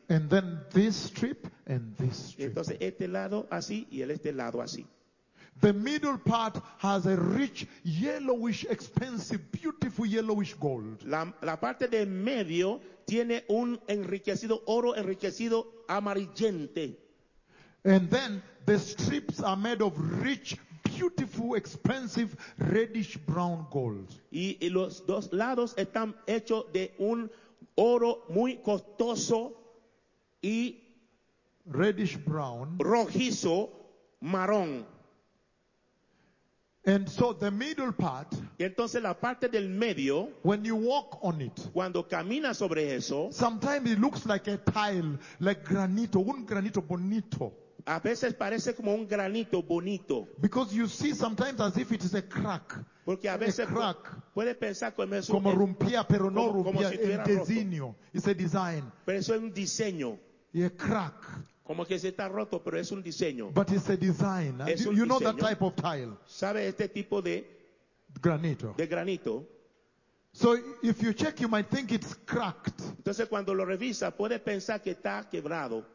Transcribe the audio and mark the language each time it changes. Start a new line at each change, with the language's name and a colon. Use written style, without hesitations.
English: And then this strip and this strip.
Spanish: Entonces este lado así y el este lado así.
English: The middle part has a rich, yellowish, expensive, beautiful yellowish gold.
Spanish: La parte de medio tiene un enriquecido oro enriquecido amarillente.
English: And then the strips are made of rich, beautiful, expensive, reddish brown gold.
Spanish: Y los dos lados están hechos de un oro muy costoso y
English: reddish brown,
Spanish: rojizo, marrón.
English: And so the middle part,
Spanish: entonces la parte del medio,
English: when you walk on it,
Spanish: cuando camina sobre eso,
English: sometimes it looks like a tile, like granito,
Spanish: un granito bonito. A veces parece como un granito bonito.
English: Because you see sometimes as if it is a crack.
Spanish: Porque a veces crack. Puede pensar como es como rompía, pero no rompía, si el diseño. Roto.
English: It's a design.
Spanish: Pero eso es un diseño.
English: Y a crack.
Spanish: Como que se está roto, pero es un diseño.
English: But it's a design.
Spanish: Es
English: you know that type of tile.
Spanish: ¿Sabe este tipo de granito? De granito.
English: So if you check, you might think it's cracked.
Spanish: Entonces cuando lo revisa, puede pensar que está quebrado.